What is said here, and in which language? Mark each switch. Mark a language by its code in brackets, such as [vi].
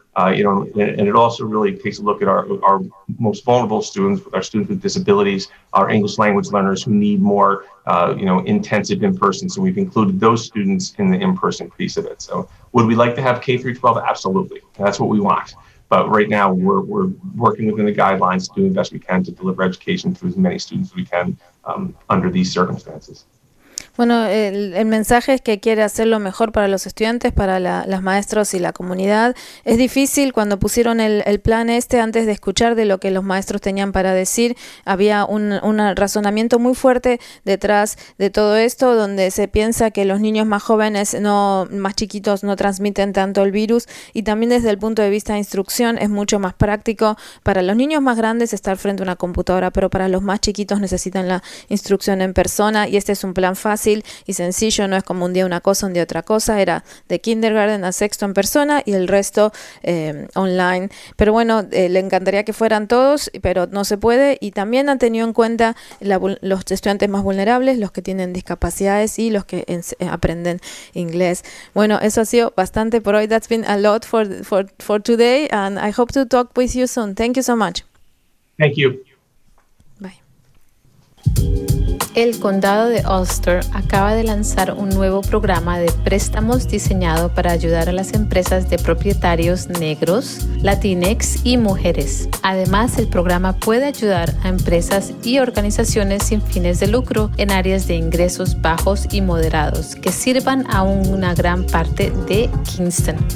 [en] And it also really takes a look at our most vulnerable students, with our students with disabilities, our English language learners who need more, intensive in-person. So we've included those students in the in-person piece of it. So would we like to have K-12? Absolutely. That's what we want. But right now we're working within the guidelines to do the best we can to deliver education to as many students as we can under these circumstances. [es] Bueno, el mensaje es que quiere hacer lo mejor para los estudiantes, para los maestros y la comunidad. Es difícil, cuando pusieron el plan este, antes de escuchar de lo que los maestros tenían para decir, había un razonamiento muy fuerte detrás de todo esto, donde se piensa que los niños más jóvenes, no más chiquitos, no transmiten tanto el virus. Y también desde el punto de vista de instrucción, es mucho más práctico para los niños más grandes estar frente a una computadora, pero para los más chiquitos necesitan la instrucción en persona, y este es un plan fácil y sencillo, no es como un día una cosa, un día otra cosa, era de kindergarten a sexto en persona y el resto online. Pero bueno, le encantaría que fueran todos, pero no se puede. Y también han tenido en cuenta los estudiantes más vulnerables, los que tienen discapacidades y los que aprenden inglés. Bueno, eso ha sido bastante por hoy. [en] That's been a lot for today, and I hope to talk with you soon. Thank you so much. Thank you. [es] El Condado de Ulster acaba de lanzar un nuevo programa de préstamos diseñado para ayudar a las empresas de propietarios negros, latinx y mujeres. Además, el programa puede ayudar a empresas y organizaciones sin fines de lucro en áreas de ingresos bajos y moderados que sirvan a una gran parte de Kingston.